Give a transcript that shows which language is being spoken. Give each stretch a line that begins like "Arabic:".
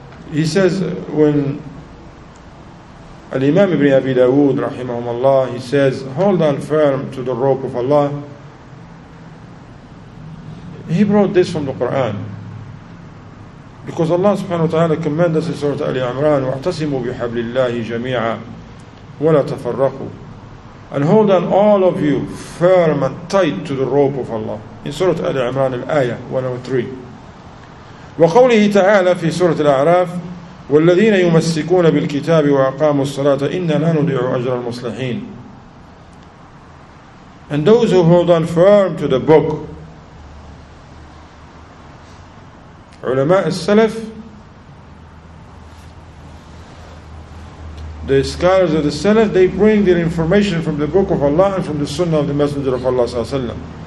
English: He says, when Al-Imam Ibn Abi Dawood, rahimahumallah, he says, hold on firm to the rope of Allah, he brought this from the Quran. Because Allah subhanahu wa ta'ala commanded us in Surah Ali Imran,
Arabic: وَاعْتَصِمُوا بِحَبْلِ اللَّهِ جَمِيعًا وَلَا تَفَرَّقُوا.
English: And hold on all of you firm and tight to the rope of Allah. In Surah Ali Imran, Ayah 103.
Arabic: وقوله تعالى في سورة الأعراف والذين يمسكون بالكتاب وأقاموا الصلاة إنا لا نضيع أجر المصلحين.
English: And those who hold on firm to the book.
Arabic: علماء السلف,
English: the scholars of the Salaf, they bring their information from the book of Allah and from the Sunnah of the Messenger of Allah sallallahu alaihi wasallam.